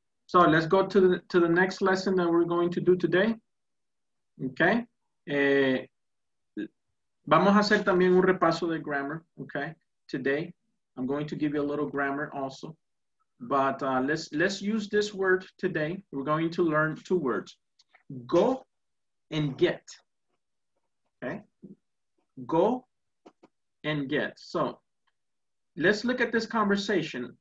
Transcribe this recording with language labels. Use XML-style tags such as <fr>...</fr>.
<en>So let's go to the next lesson that we're going to do today. Okay.</en> <es>Vamos a hacer también un repaso de grammar, okay?</es> <en>Today, I'm going to give you a little grammar also. But let's use this word today. We're going to learn two words. Go and get. Okay? Go and get. So let's look at this conversation.</en>